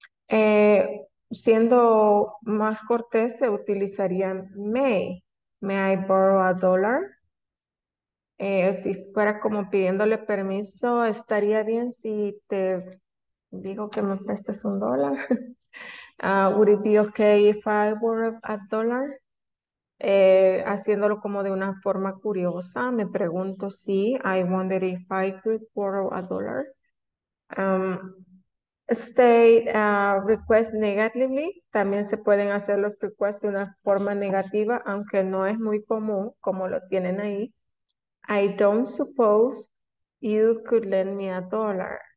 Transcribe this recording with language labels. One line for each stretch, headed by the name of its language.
Spanish: Uh-huh. Siendo más cortés, se utilizaría may.
English: May I borrow a dollar?
Spanish: Si fuera como pidiéndole permiso, estaría bien si te digo que me prestes un dólar.
English: Would it be okay if I were a dollar?
Spanish: Haciéndolo como de una forma curiosa, me pregunto si I wonder if I could borrow a dollar.
English: Request negatively.
Spanish: También se pueden hacer los requests de una forma negativa, aunque no es muy común como lo tienen ahí.
English: I don't suppose you could lend me a dollar.